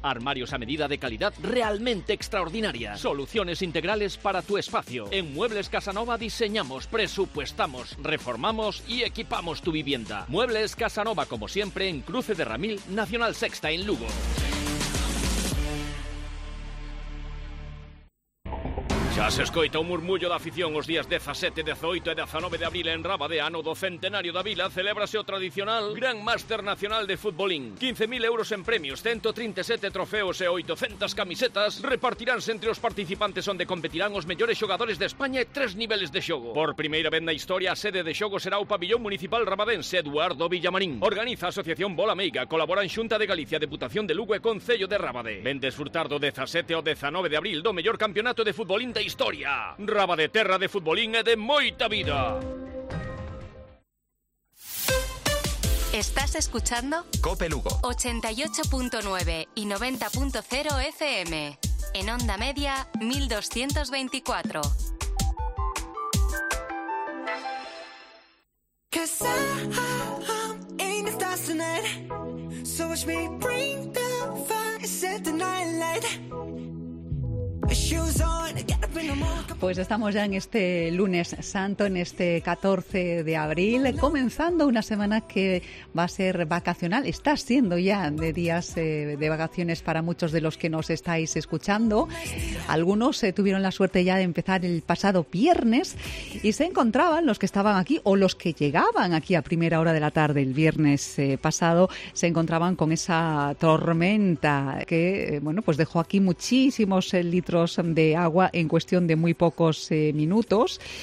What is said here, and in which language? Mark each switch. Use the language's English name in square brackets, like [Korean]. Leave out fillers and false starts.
[Spanish] Armarios a medida de calidad realmente extraordinaria. Soluciones integrales para tu espacio. En Muebles Casanova diseñamos, presupuestamos, reformamos y equipamos tu vivienda. Muebles Casanova, como siempre, en Cruce de Ramil, Nacional Sexta, en Lugo. [Galician] Xa se escoita o murmullo da afición os días 17, 18 e 19 de abril en Raba de Ano do Centenario da Vila. Celébrase o tradicional Gran Máster Nacional de Futbolín. 15.000 euros en premios, 137 trofeos e 800 camisetas repartiránse entre os participantes, onde competirán os mellores xogadores de España e tres niveles de xogo. Por primeira vez na historia, a sede de xogo será o pabillón municipal rabadense Eduardo Villamarín. Organiza a Asociación Bola Meiga, colaboran Xunta de Galicia, Deputación de Lugo e Concello de Rabade. Ven desfrutar do 17 ou 19 de abril do mellor campeonato de futbolín de historia. Raba de terra de futbolín e de moita vida. [Spanish] Estás escuchando Cope Lugo 88.9 y 90.0 FM. En onda media 1224. [English] Cause I'm in the stars tonight. So watch me bring the fire, set the night light. Shoes on. [Spanish] Pues estamos ya en este lunes santo, en este 14 de abril, comenzando una semana que va a ser vacacional. Está siendo ya de días de vacaciones para muchos de los que nos estáis escuchando. Algunos tuvieron la suerte ya de empezar el pasado viernes y se encontraban, los que estaban aquí o los que llegaban aquí a primera hora de la tarde el viernes pasado, se encontraban con esa tormenta que pues dejó aquí muchísimos litros de agua en cuestión de muy pocos minutos.